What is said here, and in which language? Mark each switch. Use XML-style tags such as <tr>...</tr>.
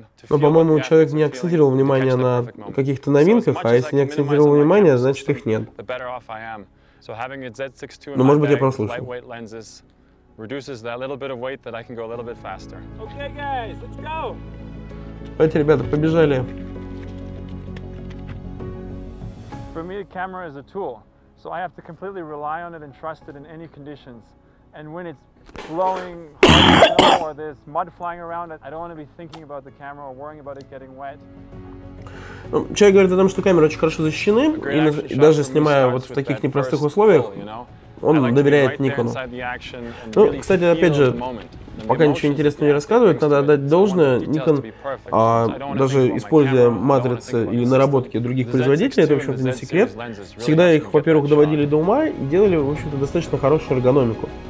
<ru>Но, по-моему, человек не акцентировал внимание на каких-то новинках, а если не акцентировал внимание, значит, их нет.</ru> <en>So having a Z6II in my bag, lightweight lenses, reduces that little bit of weight that I can go a little bit faster. Okay, guys, let's go!</en> <ru>Давайте, ребята, побежали.</ru> <en>For me, a camera is a tool, so I have to completely rely on it and trust it in any conditions. And when it's blowing or there's mud flying around it, I don't want to be thinking about the camera or worrying about it getting wet.</en> <ru>Человек говорит о том, что камеры очень хорошо защищены, и даже снимая вот в таких непростых условиях, он доверяет Никону. Ну, кстати, опять же, пока ничего интересного не рассказывают, надо отдать должное, Никон, даже используя матрицы или наработки других производителей, это, в общем-то, не секрет, всегда их, во-первых, доводили до ума и делали, в общем-то, достаточно хорошую эргономику.</ru>